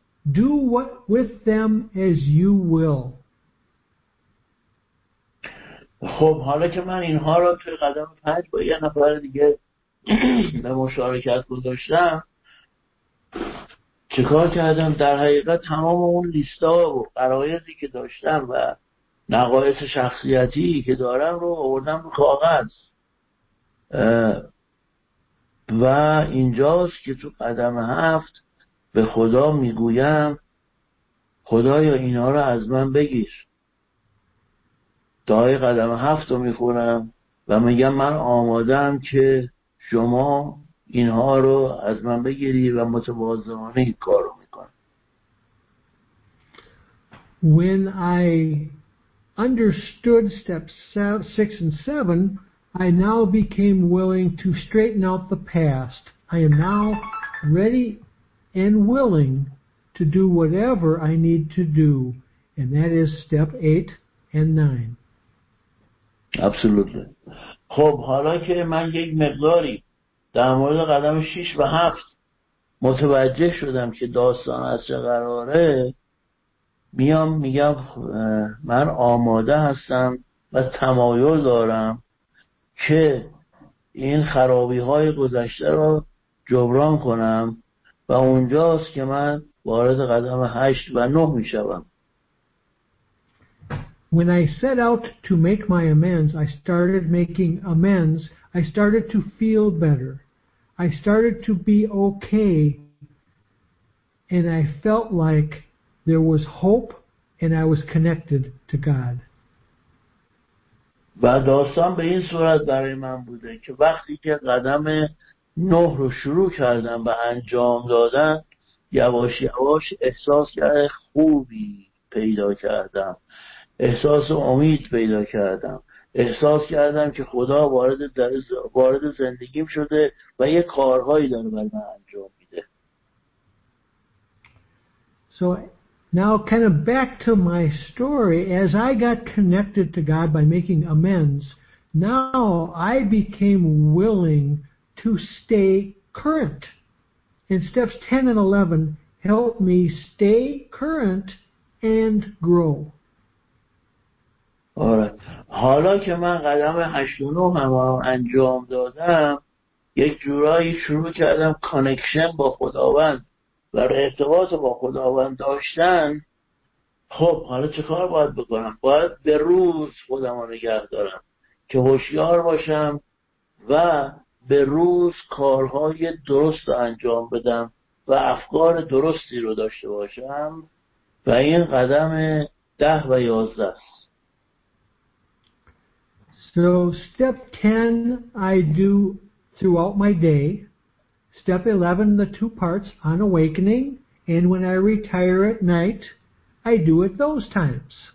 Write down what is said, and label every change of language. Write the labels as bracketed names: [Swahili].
[English] Do what with them as you will. [Persian] خب حالا که من اینها را توی قدم 5 با یه نفر دیگه به مشارکت گذاشتم، چیکار کردم؟ در حقیقت تمام اون لیستا و قرایزی که داشتم و نقایص شخصیتی که دارم رو آوردم رو کاغذ و اینجاست که تو قدم 7 به خدا میگویم خدایا اینها را از من بگیر. دعای قدم 7 رو میخونم و میگم من آمادم که شما اینها رو از من بگیری و متواضعانه این کار رو میکنم. [English] When I understood steps 6 and 7, I now became willing to straighten out the past. I am now ready and willing to do whatever I need to do. And that is step 8 and 9. Absolutely. [Persian] خب حالا که من یک مقداری در مورد قدم 6 و 7 متوجه شدم که داستان از چه قراره، میام میگم من آماده هستم و تمایل دارم که این خرابی های گذشته را جبران کنم و اونجاست که من وارد قدم 8 و 9 میشم. [English] When I set out to make my amends, I started making amends. I started to feel better. I started to be okay. And I felt like there was hope and I was connected to God. [Persian] و داستان به این صورت برای من بوده که وقتی که قدم 9 رو شروع کردم به انجام دادن، یواش یواش احساس خوبی پیدا کردم. احساس امید پیدا کردم، احساس کردم که خدا وارد زندگیم شده و یه کارهایی داره برای من انجام میده. [English] So now kind of back to my story, as I got connected to God by making amends, now I became willing to stay current. And steps 10 and 11 help me stay current and grow. [Persian] آره. حالا که من قدم 8 و 9 هم انجام دادم، یک جورایی شروع کردم کانکشن با خداوند و ارتباط با خداوند داشتن، خب حالا چه کار باید بکنم؟ باید به روز خودم رو نگه دارم که هوشیار باشم و به روز کارهای درست انجام بدم و افکار درستی رو داشته باشم و این قدم 10 و 11 است. [English] So step 10 I do throughout my day. Step 11, the two parts on awakening, and when I retire at night, I do it those times.